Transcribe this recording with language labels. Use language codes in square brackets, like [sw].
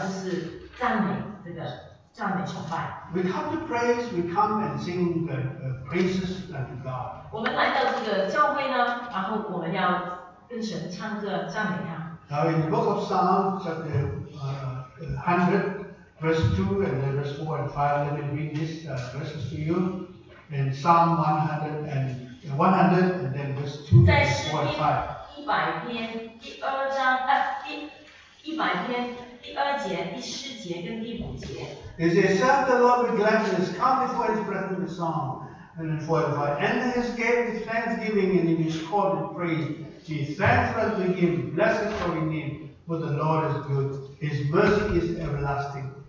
[zh] 那第二个部分在这个程序表就是赞美，这个赞美崇拜。 [en] We come to praise, we come and sing the praises unto God. [zh] 我们来到这个教会呢，然后我们要跟神唱歌赞美呀。 [en] Now in the book of Psalms, chapter 100. Verse 2 and then verse 4 and 5, let me read these verses to you. In Psalm 100 and then verse 2 and 4 and 5. [zh] 100篇第二章第一百篇第二节第四节跟第五节. [en] He says, serve the Lord with gladness, come before His presence with song, and then 4 and 5. Enter His gate with thanksgiving and in His court with praise. Be thankful to Him, bless His holy name, for the Lord is good, His mercy is everlasting.